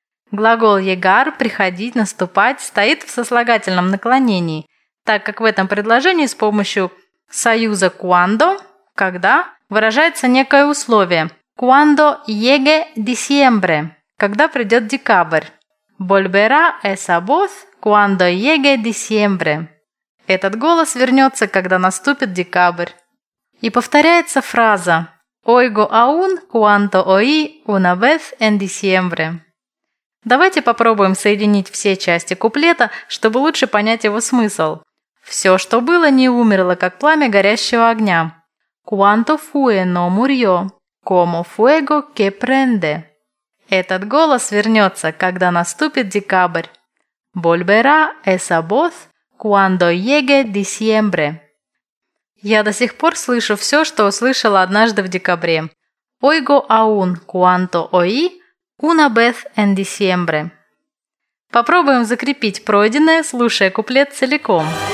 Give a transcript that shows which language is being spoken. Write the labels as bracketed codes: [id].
[ru] Глагол «llegar» – «приходить», «наступать» стоит в сослагательном наклонении, так как в этом предложении с помощью союза «cuando» – «когда» выражается некое условие. [es] «Cuando llegue diciembre» [ru] – «когда придет декабрь». [es] «Volverá esa voz cuando llegue diciembre» [ru] – «этот голос вернется, когда наступит декабрь». И повторяется фраза [es] «Oigo aún cuanto oí una vez en diciembre». [ru] Давайте попробуем соединить все части куплета, чтобы лучше понять его смысл. «Все, что было, не умерло, как пламя горящего огня». [es] «Cuanto fue, no murió». Como fuego que prende. [ru] Этот голос вернется, когда наступит декабрь. [es] Volverá esa voz cuando llegue diciembre. [ru] Я до сих пор слышу все, что услышала однажды в декабре. [es] Oigo aún cuanto oí una vez en diciembre. [ru] Попробуем закрепить пройденное, слушая куплет целиком.